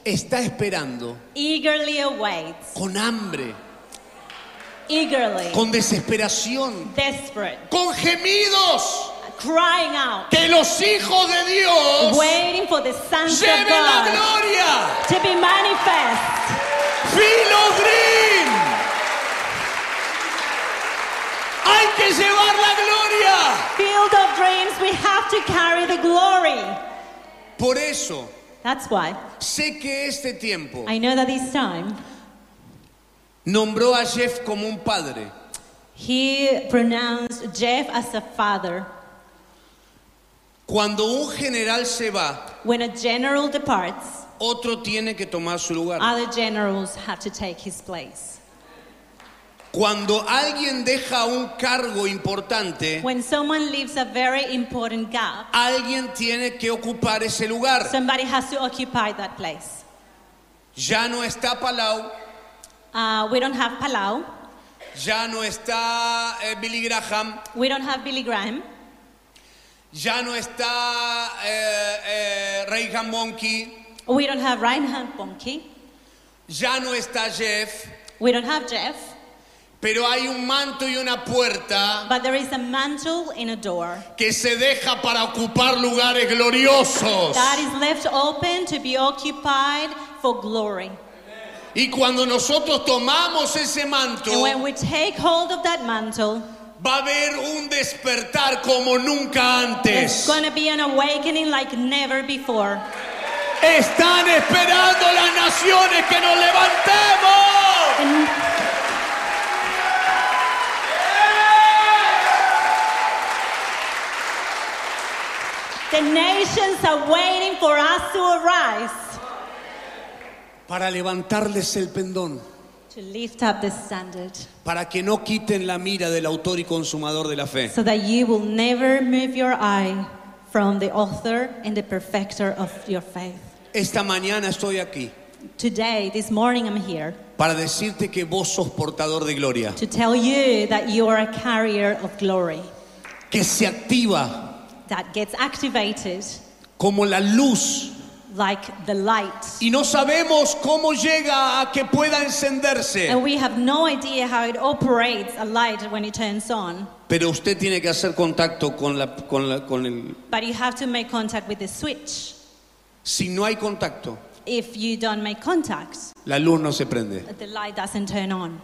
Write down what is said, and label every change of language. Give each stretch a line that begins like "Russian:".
Spanish: está esperando,
English: eagerly awaits,
Spanish: con hambre,
English: eagerly,
Spanish: con desesperación,
English: desperate,
Spanish: con gemidos,
English: crying out,
Spanish: que los hijos de Dios,
English: waiting for the sons of God,
Spanish: la gloria,
English: to be manifest,
Spanish: filo green, hay que llevar la gloria.
English: Field of dreams, we have to carry the glory.
Spanish: Por eso.
English: That's why.
Spanish: Sé que este tiempo.
English: I know that this time.
Spanish: Nombró a Jeff como un padre.
English: He pronounced Jeff as a father.
Spanish: Cuando un general se va.
English: When a general departs.
Spanish: Otro tiene que tomar su lugar.
English: Other generals have to take his place.
Spanish: Cuando alguien deja un cargo importante,
English: when someone leaves a very important gap,
Spanish: alguien tiene que ocupar ese lugar.
English: Somebody has to occupy that place.
Spanish: Ya no está Palau.
English: We don't have Palau.
Spanish: Ya no está Billy Graham.
English: We don't have Billy Graham.
Spanish: Ya no está Reinhard Bonnke.
English: We don't have Reinhard Bonnke.
Spanish: Ya no está Jeff.
English: We don't have Jeff.
Spanish: Pero hay un manto y una puerta,
English: but there is a mantle and a door,
Spanish: que se deja para ocupar lugares gloriosos,
English: that is left open to be occupied for glory.
Spanish: Y cuando nosotros tomamos ese manto,
English: and when we take hold of that mantle,
Spanish: va a haber un despertar como nunca antes.
English: There's going to be an awakening like never before.
Spanish: Están esperando las naciones que nos levantemos.
English: The nations are waiting for us to arise.
Spanish: Para levantarles el pendón.
English: To lift up the standard.
Spanish: Para que no quiten la mira del autor y consumador de la fe.
English: So that you will never move your eye from the author and the perfecter of your faith.
Spanish: Esta mañana estoy aquí.
English: Today, this morning I'm here.
Spanish: Para decirte que vos sos portador de gloria.
English: To tell you that you are a carrier of glory.
Spanish: Que se activa.
English: That gets activated.
Spanish: Como la luz.
English: Like the light.
Spanish: Y no sabemos cómo llega a que pueda encenderse.
English: And we have no idea how it operates, a light when it turns on.
Spanish: Pero usted tiene que hacer contacto con la con la con el.
English: But you have to make contact with the switch.
Spanish: Si no hay contacto,
English: if you don't make contact,
Spanish: la luz no se prende.
English: The light doesn't turn on.